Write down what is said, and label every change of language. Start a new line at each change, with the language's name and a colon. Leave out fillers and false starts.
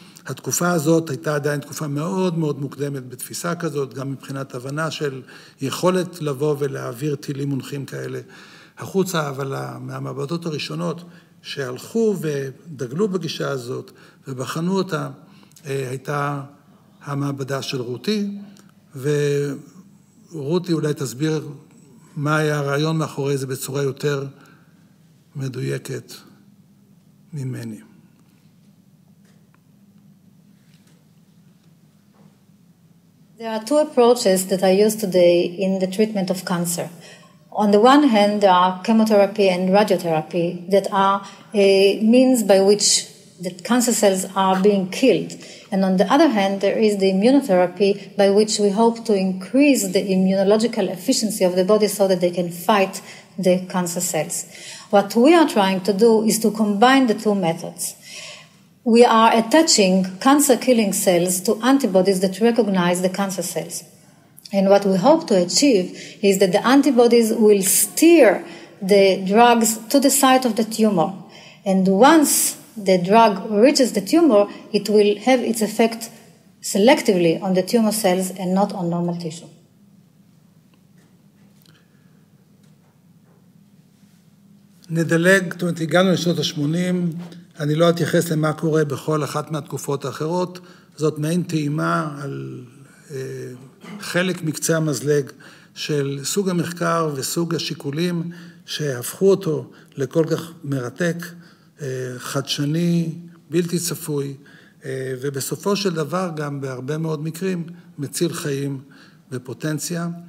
Hebrew: התקופה הזאת הייתה עדיין תקופה מאוד מאוד מוקדמת בתפיסה כזאת, גם מבחינת הבנה של יכולת לבוא ולהעביר טילים מונחים כאלה החוצה, אבל מהמעבדות הראשונות שהלכו ודגלו בגישה הזאת ובחנו אותה, הייתה המעבדה של רותי, ורותי אולי תסביר מה היה הרעיון מאחורי זה בצורה יותר מדויקת ממני.
English: There are two approaches that are used today in the treatment of cancer. On the one hand, there are chemotherapy and radiotherapy that are a means by which the cancer cells are being killed. And on the other hand, there is the immunotherapy by which we hope to increase the immunological efficiency of the body so that they can fight the cancer cells. What we are trying to do is to combine the two methods. We are attaching cancer-killing cells to antibodies that recognize the cancer cells. And what we hope to achieve is that the antibodies will steer the drugs to the site of the tumor. And once the drug reaches the tumor, it will have its effect selectively on the tumor cells and not on normal tissue.
Hebrew: נדלג, זאת אומרת, הגענו לשנות ה-80, אני לא אתייחס למה קורה בכל אחת מהתקופות האחרות, זאת מעין טעימה על חלק מקצה המזלג של סוג המחקר וסוג השיקולים שהפכו אותו לכל כך מרתק, חדשני, בלתי צפוי, ובסופו של דבר גם בהרבה מאוד מקרים מציל חיים ופוטנציה.